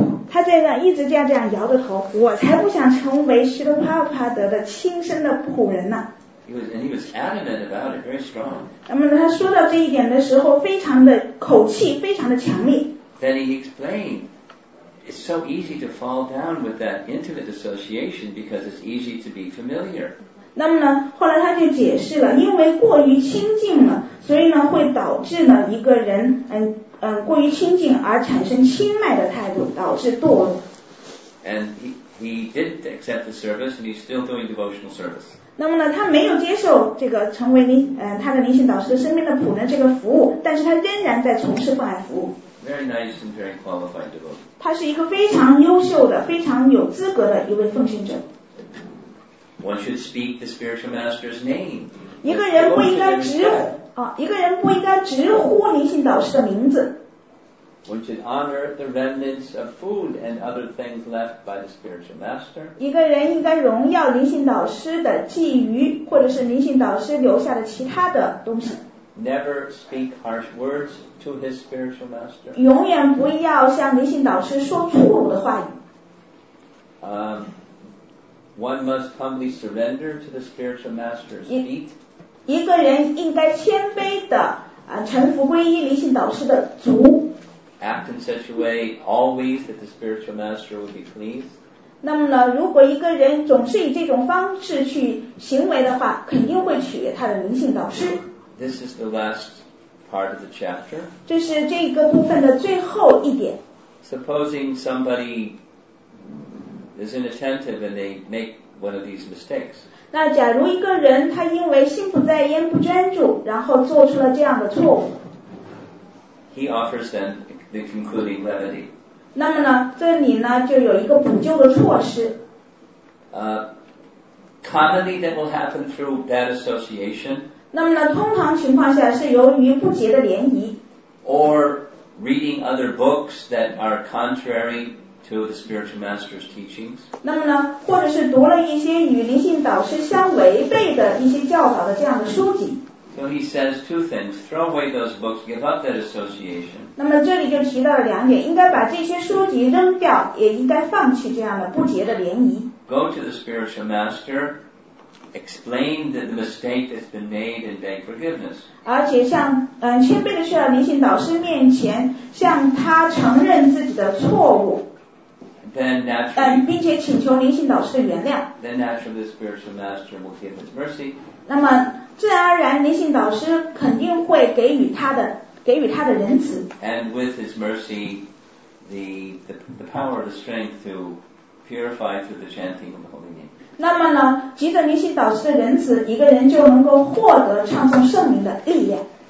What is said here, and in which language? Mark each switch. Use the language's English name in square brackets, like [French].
[Chinese] 他在那一直这样摇着头，我才不想成为西德帕帕德的亲生的仆人呢。 [English] He was adamant about it, very strong. [Chinese] 他说到这一点的时候，非常的口气非常的强烈。 [English] Then he explained, it's so easy to fall down with that intimate association because it's easy to be familiar. [Chinese] 那么呢，后来他就解释了，因为过于亲近了，所以呢，会导致呢一个人过于亲近而产生轻慢的态度，导致堕落。 [English] And he didn't accept the service, and he's still doing devotional service. [Chinese] 那么呢，他没有接受这个成为他的灵性导师身边的仆人这个服务，但是他仍然在从事关爱服务。 [English] Very nice and very qualified devotee. [Chinese] 他是一个非常优秀的、非常有资格的一位奉行者。 [English] One should speak the spiritual master's name. [Chinese] 一个人不应该直呼灵性导师的名字。 [English] One should honor the remnants of food and other things left by the spiritual master. [Chinese] 一个人应该荣耀灵性导师的寄语，或者是灵性导师留下的其他的东西。 [English] Never speak harsh words to his spiritual master. [Chinese] 永远不要向灵性导师说粗鲁的话语。 [English] One must humbly surrender to the spiritual master's feet. [Chinese] 一个人应该谦卑的臣服皈依灵性导师的足。 [English] Act in such a way always that the spiritual master will be pleased. [Chinese] 那么呢，如果一个人总是以这种方式去行为的话，肯定会取悦他的灵性导师。 [English] This is the last part of the chapter. [Chinese] 这是这个部分的最后一点。 [English] Supposing somebody is inattentive and they make one of these mistakes. [Chinese] 那假如一个人他因为心不在焉、不专注，然后做出了这样的错误。 [English] He offers them the concluding remedy. [Chinese] 那么呢，这里呢就有一个补救的措施。 [English] Commonly that will happen through bad association. [Chinese] 那么呢，通常情况下是由于不洁的联谊。 [English] Or reading other books that are contrary to the spiritual master's teachings. [Chinese] 那么呢，或者是读了一些与灵性导师相违背的一些教导的这样的书籍。 [English] So he says two things, throw away those books, give up that association. [Chinese] 那么这里就提到了两点，应该把这些书籍扔掉，也应该放弃这样的不洁的联谊。 [English] Go to the spiritual master, explain that the mistake has been made and beg forgiveness. [Chinese] 而且向谦卑的去到灵性导师面前，向他承认自己的错误。 [English] Then naturally, [Chinese] 并且请求灵性导师的原谅。 [English] Then naturally the spiritual master will give his mercy. [Chinese] 那么自然而然，灵性导师肯定会给予他的仁慈。 [English] And with his mercy, the power, the strength to purify through the chanting of the holy name. [Chinese] 那么呢，藉着灵性导师的仁慈，一个人就能够获得唱诵圣名的力量。